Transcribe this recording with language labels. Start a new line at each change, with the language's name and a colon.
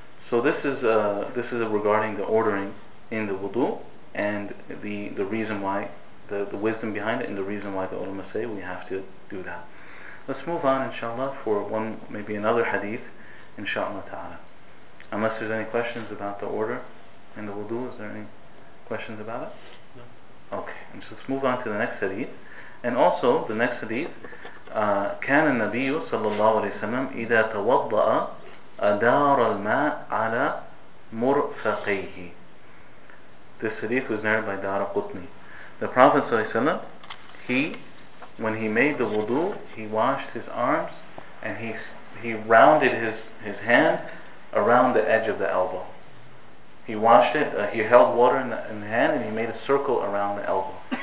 English: So this is regarding the ordering in the wudu and the reason why, the wisdom behind it and the reason why the ulama say we have to do that. Let's move on, inshallah, for one, maybe another hadith, inshallah ta'ala. Unless there's any questions about the order and the wudu, is there any questions about it? No. Okay, and so let's move on to the next hadith. And also, the next hadith,
Arabic: كان النبي صلى الله عليه وسلم إذا توضأ أدار الماء على مرفقيه.
English: This hadith was narrated by Dharqutni. The Prophet ﷺ, when he made the wudu, he washed his arms and he rounded his hand around the edge of the elbow. He washed it, he held water in the hand and he made a circle around the elbow.